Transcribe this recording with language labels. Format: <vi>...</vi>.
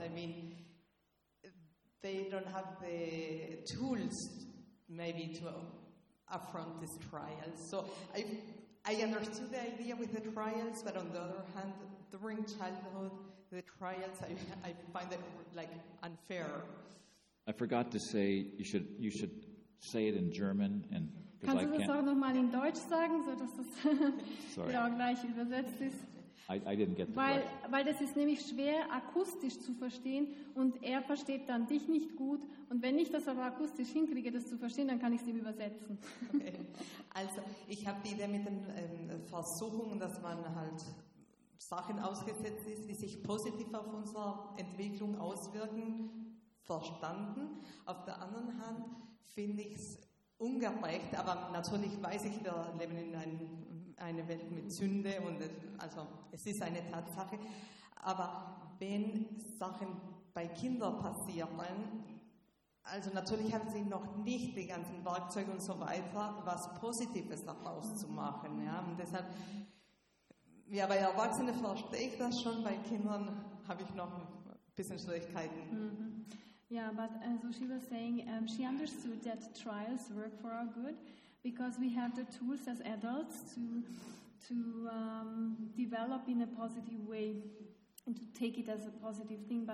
<en>I mean, they don't have the tools maybe to affront these trials. So I understood the idea with the trials, but on the other hand, during childhood, the trials, I find it like unfair. I forgot to say, you should say it in German. And</en> <de>kannst du das auch nochmal in Deutsch sagen, sodass das genau gleich übersetzt ist?</de> <en>I didn't get the question.</en> <de>Weil das ist nämlich schwer akustisch zu verstehen und er versteht dann dich nicht gut. Und wenn ich das aber akustisch hinkriege, das zu verstehen, dann kann ich es ihm übersetzen. Okay. Also ich habe die Idee mit den Versuchungen, dass man halt Sachen ausgesetzt ist, die sich positiv auf unsere Entwicklung auswirken, verstanden. Auf der anderen Hand finde ich es ungerecht, aber natürlich weiß ich, wir leben in einer Welt mit Sünde und also es ist eine Tatsache. Aber wenn Sachen bei Kindern passieren, also natürlich haben sie noch nicht die ganzen Werkzeuge und so weiter, was Positives daraus zu machen. Ja? Und deshalb, ja, bei Erwachsenen verstehe ich das schon, bei Kindern habe ich noch ein bisschen Schwierigkeiten.</de> <en>Yeah, but so she was saying, she understood that trials work for our good because we have the tools as adults to develop in a positive way and to take it as a positive thing.</en>